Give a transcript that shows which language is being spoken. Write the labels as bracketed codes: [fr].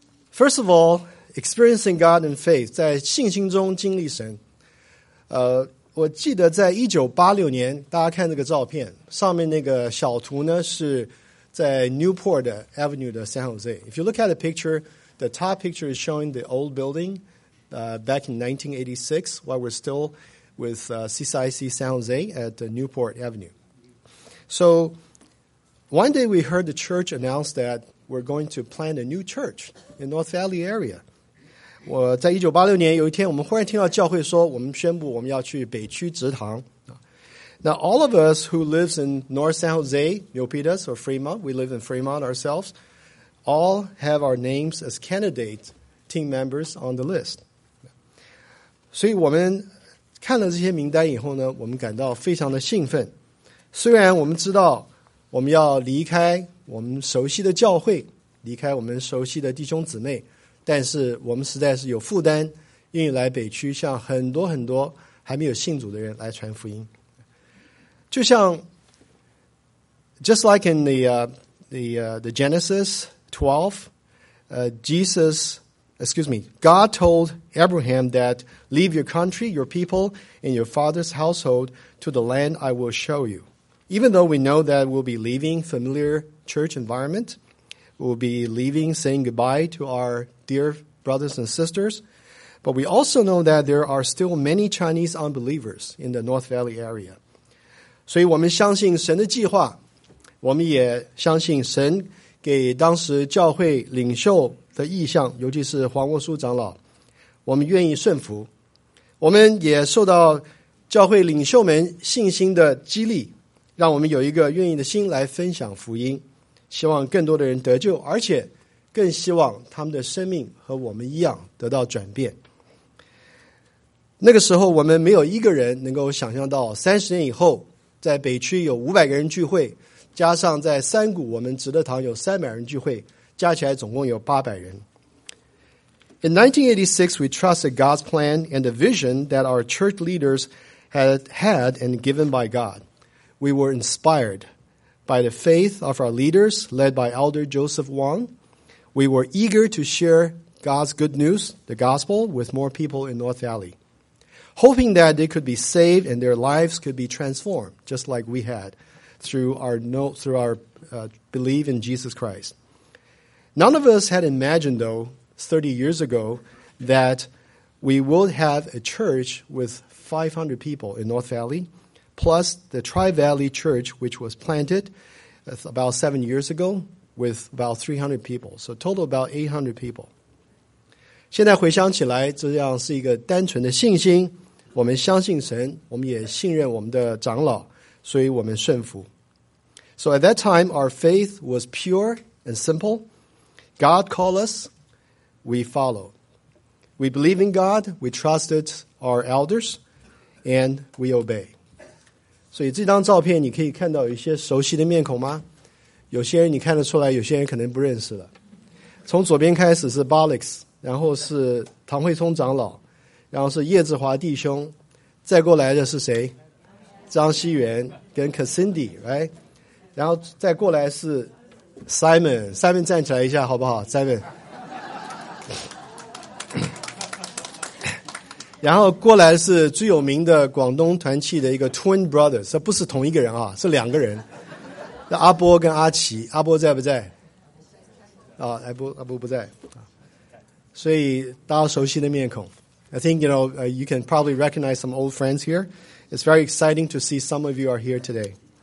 [en] First of all, experiencing God in faith, [zh] 在信心中经历神。我记得在1986年，大家看这个照片，上面那个小图呢是。在 Newport Avenue 的 San Jose. [en] If you look at the picture, the top picture is showing the old building back in 1986 while we're still with CCIC San Jose at Newport Avenue. So one day we heard the church announce that we're going to plant a new church in North Valley area. [zh] 我在1986年有一天我们忽然听到教会说我们宣布我们要去北区植堂。 [en] Now, all of us who lives in North San Jose, Milpitas or Fremont, we live in Fremont ourselves, all have our names as candidate team members on the list. [zh] 所以我们看了这些名单以后呢，我们感到非常的兴奋。虽然我们知道我们要离开我们熟悉的教会，离开我们熟悉的弟兄姊妹，但是我们实在是有负担，愿意来北区向很多很多还没有信主的人来传福音。就像 [en] just like in the Genesis 12, God told Abraham that leave your country, your people, and your father's household to the land I will show you. Even though we know that we'll be leaving familiar church environment, we'll be leaving saying goodbye to our dear brothers and sisters, but we also know that there are still many Chinese unbelievers in the North Valley area. [zh] 所以我们相信神的计划，我们也相信神给当时教会领袖的意向，尤其是黄沃书长老，我们愿意顺服。我们也受到教会领袖们信心的激励，让我们有一个愿意的心来分享福音，希望更多的人得救，而且更希望他们的生命和我们一样得到转变。那个时候我们没有一个人能够想象到30年以后在北区有500个人聚会，加上在三谷我们值得堂有300人聚会，加起来总共有800人。 [en] In 1986, we trusted God's plan and the vision that our church leaders had and given by God. We were inspired by the faith of our leaders, led by Elder Joseph Wong. We were eager to share God's good news, the gospel, with more people in North Valley, hoping that they could be saved and their lives could be transformed, just like we had, through our belief in Jesus Christ. None of us had imagined, though, 30 years ago, that we would have a church with 500 people in North Valley, plus the Tri-Valley Church, which was planted about 7 years ago, with about 300 people. So total about 800 people. [zh] 现在回想起来，这样是一个单纯的信心。我们相信神，我们也信任我们的长老，所以我们顺服。 [en] So at that time, our faith was pure and simple. God called us, we followed. We believed in God, we trusted our elders, and we obeyed. [zh] 所以这张照片你可以看到一些熟悉的面孔吗？有些人你看得出来，有些人可能不认识了。从左边开始是 Bolix， 然后是唐慧聪长老，然后是叶志华弟兄，再过来的是谁？张熙元跟 Cassindy， [en] right？ [zh] 然后再过来是 Simon 站起来一下好不好 ？Simon， 然后过来是最有名的广东团契的一个 Twin Brothers， 不是同一个人啊，是两个人。阿波跟阿奇，阿波在不在？啊，阿波不在，所以大家熟悉的面孔。 [en] I think you know, you can probably recognize some old friends here. It's very exciting to see some of you are here today.